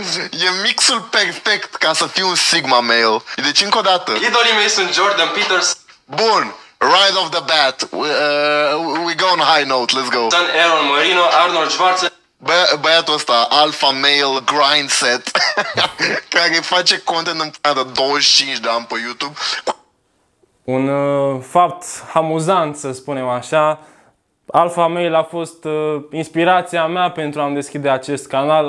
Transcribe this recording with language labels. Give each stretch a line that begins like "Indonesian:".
Romanian: E mixul perfect ca să fiu un Sigma male. Deci încă o dată. Idolii mei sunt Jordan Peters. Bun!
English: Right off the bat, we go on high note, let's go.
Romanian: Aaron Marino, Arnold Schwarzenegger. Băiatul ăsta, alpha male grind set, care face content în perioada 25 de ani pe YouTube. Un fapt amuzant, să spunem așa. Alpha male a fost inspirația mea pentru a-mi deschide acest canal.